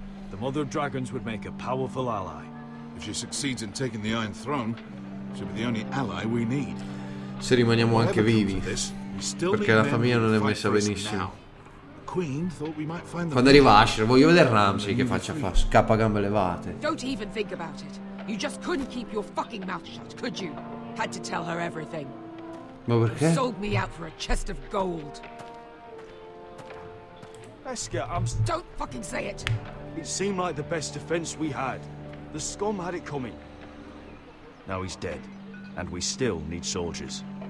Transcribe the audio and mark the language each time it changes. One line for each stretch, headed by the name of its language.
English: The Mother of Dragons would make a powerful ally. If she succeeds in taking the Iron Throne, she'll be the only ally we need.
Italian: Se rimaniamo anche vivi. Perché la famiglia non è messa benissimo. Quando arriva Asher, voglio vedere Ramsay che faccia fa scappa a gambe levate.
English: Don't even think about it. You just couldn't keep your fucking mouth shut, could you? Had to tell her everything.
Italian: Ma perché?
English: Sold me out for a chest of gold. Eska, I'm... Don't fucking say it! It seemed like the best defense we had. The scum had it coming. Now he's dead. And we still need soldiers.